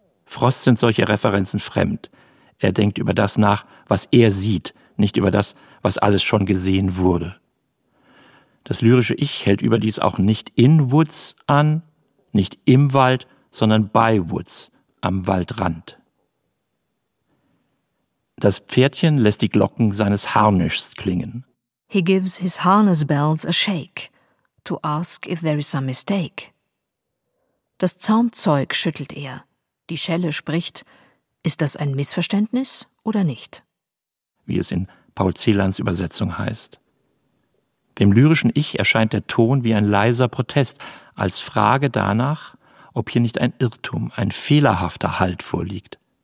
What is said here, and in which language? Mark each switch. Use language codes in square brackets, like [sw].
[de] Frost sind solche Referenzen fremd. Er denkt über das nach, was er sieht, nicht über das, was alles schon gesehen wurde. Das lyrische Ich hält überdies auch nicht in Woods an, nicht im Wald, sondern bei Woods, am Waldrand. Das Pferdchen lässt die Glocken seines Harnischs klingen. [en] He gives his harness bells a shake, to ask if there is some mistake. [de] Das Zaumzeug schüttelt er, die Schelle spricht, ist das ein Missverständnis oder nicht? Wie es in Paul Celans Übersetzung heißt. Dem lyrischen Ich erscheint der Ton wie ein leiser Protest, als Frage danach, ob hier nicht ein Irrtum, ein fehlerhafter Halt vorliegt.